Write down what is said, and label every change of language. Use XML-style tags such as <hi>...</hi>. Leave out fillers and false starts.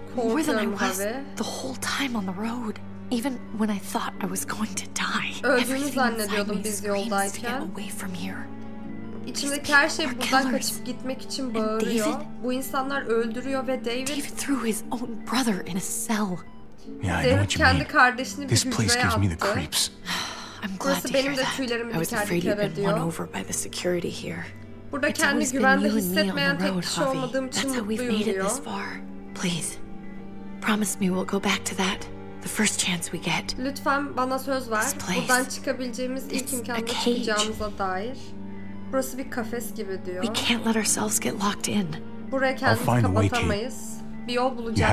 <en>More than I was the whole time on the road. Even when I thought I was going to die.</en> <tr>Öldüğünü zannediyordum biz yoldayken. İçimdeki her şey buradan kaçıp gitmek için bağırıyor. Bu insanlar öldürüyor ve David...</tr> <en>David threw his own brother in a cell. David</en> <tr>kendi kardeşini bir hücreye attı.</tr> <en>This place gives me the creeps. I'm glad to hear that. I was afraid you've been won over by the security here.</en> <tr>Burada kendi güvende hissetmeyen tek kişi olmadığım için mutluyum.</tr> <en>Please, promise me we'll go back to that the first chance we get.</en> <tr>Lütfen bana söz ver. Buradan çıkabileceğimiz ilk imkanda çıkacağımıza dair. Burası bir kafes gibi diyor.</tr> <en>We can't let ourselves get locked in.</en> <tr>Buraya kendimizi kapatamayız. Bir yol bulacağız.</tr>